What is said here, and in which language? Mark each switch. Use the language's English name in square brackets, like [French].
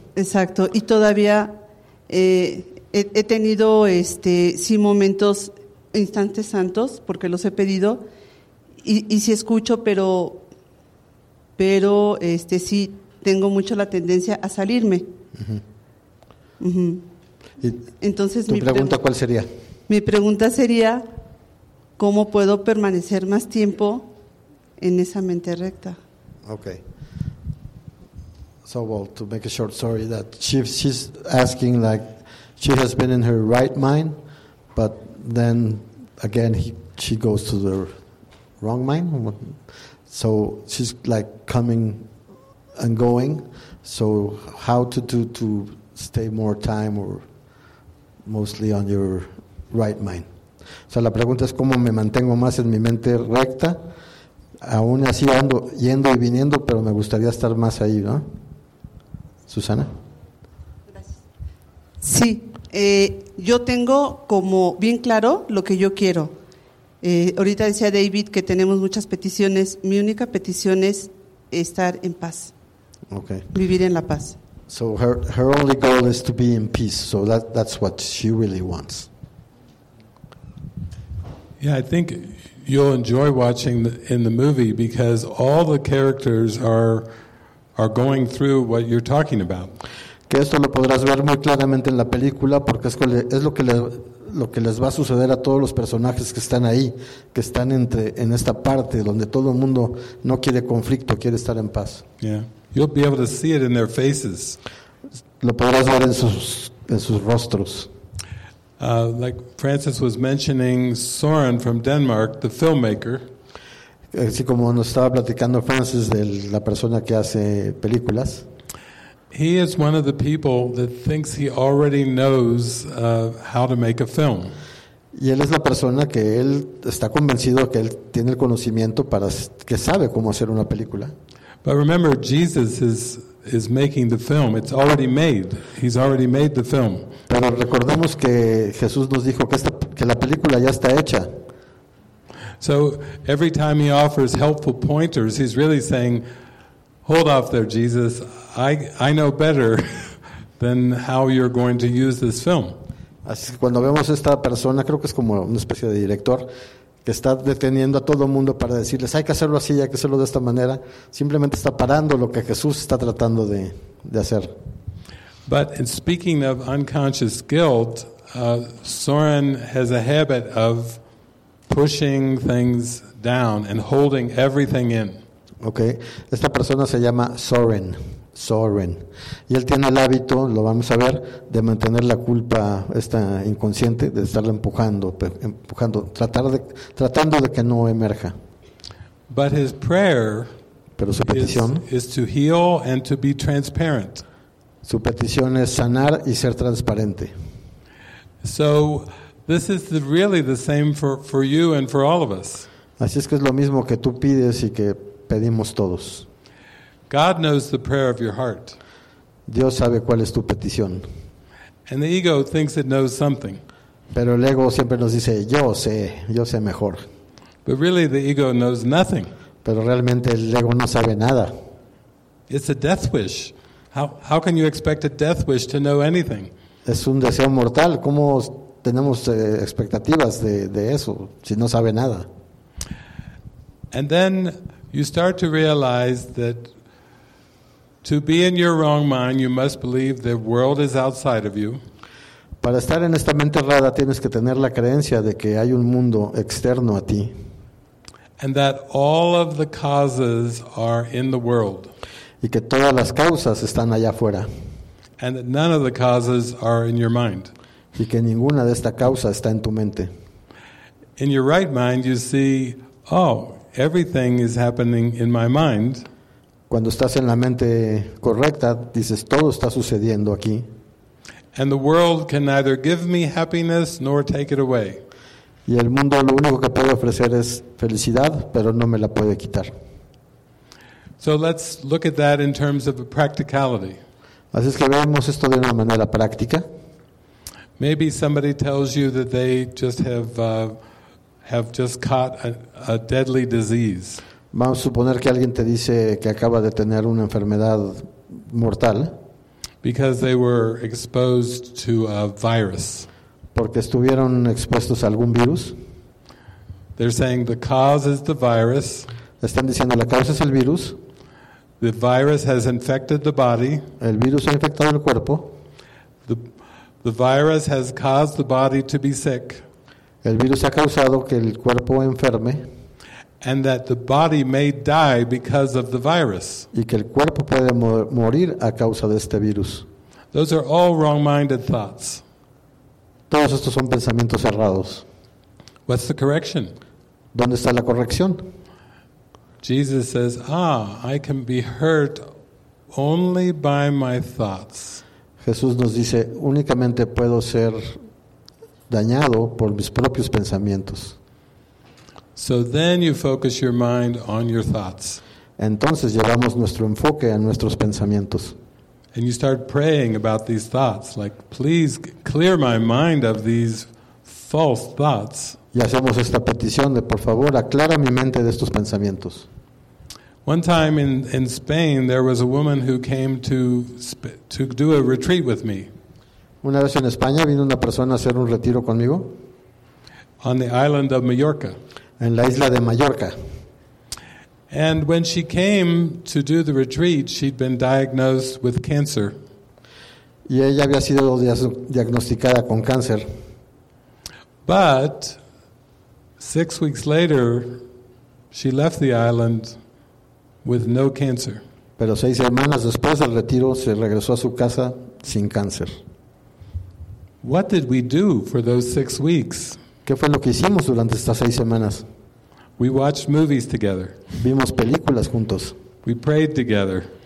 [Spanish] Exacto, y todavía he tenido sí momentos, instantes santos, porque los he pedido, y sí escucho, pero sí tengo mucho la tendencia a salirme. Uh-huh. Uh-huh. ¿Y entonces tu pregunta cuál sería? Mi pregunta sería, ¿cómo puedo permanecer más tiempo en esa mente recta? [English] Okay. So, well, to make a short story, that she's asking, like, she has been in her right mind, but then again she goes to the wrong mind. So she's like coming and going. So how to stay more time or mostly on your right mind? [Spanish] O sea, la pregunta es cómo me mantengo más en mi mente recta, aún así ando yendo y viniendo, pero me gustaría estar más ahí, ¿no? Susana. Gracias. Sí, yo tengo como bien claro lo que yo quiero. Ahorita decía David que tenemos muchas peticiones. Mi única petición es estar en paz. [English] Okay. [Spanish] Vivir en la paz. [English] So her only goal is to be in peace. So that's what she really wants. Yeah, I think you'll enjoy watching in the movie because all the characters are going through what you're talking about. [Spanish] Que esto lo podrás ver muy claramente en la película porque es lo que les va a suceder a todos los personajes que están ahí, que están en esta parte donde todo el mundo no quiere conflicto, quiere estar en paz. [English] Yeah. You'll be able to see it in their faces. [Spanish] Lo podrás ver en sus rostros. [English] Like Francis was mentioning Soren from Denmark, the filmmaker. [Spanish] Así como nos estaba platicando Francis de la persona que hace películas. [English] He is one of the people that thinks he already knows how to make a film. [Spanish] Y él es la persona que él está convencido que él tiene el conocimiento para que sabe cómo hacer una película. [English] But remember, Jesus is making the film. It's already made. He's already made the film. [Spanish] Pero recordemos que Jesús nos dijo que la película ya está hecha. [English] So every time he offers helpful pointers, he's really saying, "Hold off there, Jesus. I know better than how you're going to use this film." [Spanish] Así que cuando vemos esta persona, creo que es como una especie de director que está deteniendo a todo el mundo para decirles, "Hay que hacerlo así, hay que hacerlo de esta manera." Simplemente está parando lo que Jesús está tratando de hacer. [English] But in speaking of unconscious guilt, Soren has a habit of pushing things down and holding everything in. [Spanish] Okay. Esta persona se llama Soren. Soren. Y él tiene el hábito, lo vamos a ver, de mantener la culpa esta inconsciente, de estarla empujando, tratando de que no emerja. [English] But his prayer, [Spanish] pero su petición [English] is to heal and to be transparent. [Spanish] Su petición es sanar y ser transparente. [English] So this is really the same for you and for all of us. [Spanish] Así es que es lo mismo que tú pides y que pedimos todos. [English] God knows the prayer of your heart. [Spanish] Dios sabe cuál es tu petición. [English] And the ego thinks it knows something. [Spanish] Pero el ego siempre nos dice, yo sé mejor. [English] But really the ego knows nothing. [Spanish] Pero realmente el ego no sabe nada. [English] It's a death wish. How can you expect a death wish to know anything? [Spanish] Es un deseo mortal. ¿Cómo tenemos expectativas de eso si no sabe nada? [English] And then you start to realize that to be in your wrong mind, you must believe the world is outside of you. [Spanish] Para estar en esta mente errada, tienes que tener la creencia de que hay un mundo externo a ti. [English] And that all of the causes are in the world. [Spanish] Y que todas las causas están allá afuera. [English] And that none of the causes are in your mind. [Spanish] Y que ninguna de esta causa está en tu mente. [English] In your right mind, you see, oh, everything is happening in my mind. [Spanish] Cuando estás en la mente correcta, dices, todo está sucediendo aquí. [English] And the world can neither give me happiness nor take it away. [Spanish] Y el mundo lo único que puede ofrecer es felicidad, pero no me la puede quitar. [English] So let's look at that in terms of a practicality. [Spanish] Así es que veamos esto de una manera práctica. [English] Maybe somebody tells you that they just have just caught a deadly disease. [Spanish] Vamos a suponer que alguien te dice que acaba de tener una enfermedad mortal. [English] Because they were exposed to a virus. [Spanish] Porque estuvieron expuestos a algún virus. [English] They're saying the cause is the virus. [Spanish] Están diciendo la causa es el virus. [English] The virus has infected the body. [Spanish] El virus ha infectado el cuerpo. [English] The virus has caused the body to be sick. [Spanish] El virus ha causado que el cuerpo enferme. [English] And that the body may die because of the virus. [Spanish] Y que el cuerpo puede morir a causa de este virus. [English] Those are all wrong-minded thoughts. [Spanish] Todos estos son pensamientos cerrados. [English] What's the correction? [Spanish] ¿Dónde está la corrección? [English] Jesus says, "Ah, I can be hurt only by my thoughts." [Spanish] Jesús nos dice, únicamente puedo ser dañado por mis propios pensamientos. [English] So then you focus your mind on your thoughts. [Spanish] Entonces llevamos nuestro enfoque a nuestros pensamientos. [English] And you start praying about these thoughts, like, please clear my mind of these false thoughts. [Spanish] Y hacemos esta petición de, por favor, aclara mi mente de estos pensamientos. [English] One time in Spain, there was a woman who came to do a retreat with me. [Spanish] Una vez en España vino una persona a hacer un retiro conmigo. [English] On the island of Mallorca. [Spanish] En la isla de Mallorca. [English] And when she came to do the retreat, she'd been diagnosed with cancer. [Spanish] Y ella había sido diagnosticada con cáncer. [English] But 6 weeks later, she left the island with no cancer. [Spanish] Pero 6 semanas después del retiro, se regresó a su casa sin cáncer. [English] What did we do for those 6 weeks? [Spanish] ¿Qué fue lo que hicimos durante estas 6 semanas? [English] We watched movies together. [Spanish] Vimos películas juntos. [English] We prayed together.